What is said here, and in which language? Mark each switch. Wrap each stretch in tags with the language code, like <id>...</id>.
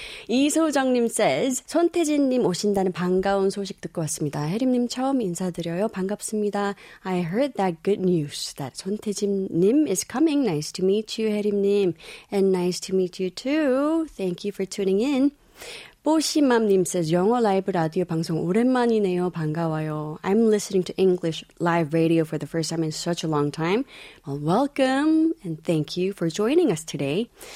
<ko>이소정님</ko> <en>says,</en> <ko>손태진님 오신다는 반가운 소식 듣고 왔습니다. 혜림님 처음 인사드려요. 반갑습니다.</ko> <en>I heard that good news that 손태진님 is coming. Nice to meet you, 혜림님. And nice to meet you too. Thank you for tuning in.</en> <ko>오시맘님</ko> <en>says,</en> <ko>영어 라이브 라디오 방송 오랜만이네요. 반가워요.</ko> <en>I'm listening to English live radio for the first time in such a long time. Well, welcome and thank you for joining us today.</en>